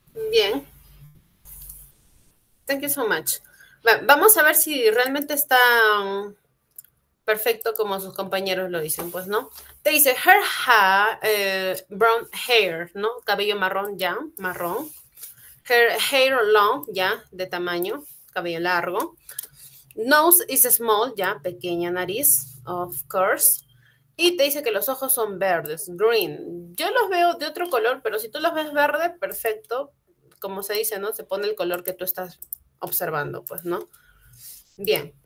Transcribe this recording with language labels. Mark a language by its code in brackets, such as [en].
[es] Bien. [en] Thank you so much. [es] Vamos a ver si realmente está perfecto como sus compañeros lo dicen, pues, ¿no? Te dice, [en] her hair, brown hair, [es] ¿no? Cabello marrón, ya, marrón. [en] Her hair long, [es] ya, de tamaño, cabello largo. [en] Nose is small, ya, [es] pequeña nariz, [en] of course. [es] Y te dice que los ojos son verdes, green. Yo los veo de otro color, pero si tú los ves verde, perfecto. Como se dice, ¿no? Se pone el color que tú estás observando, pues, ¿no? Bien.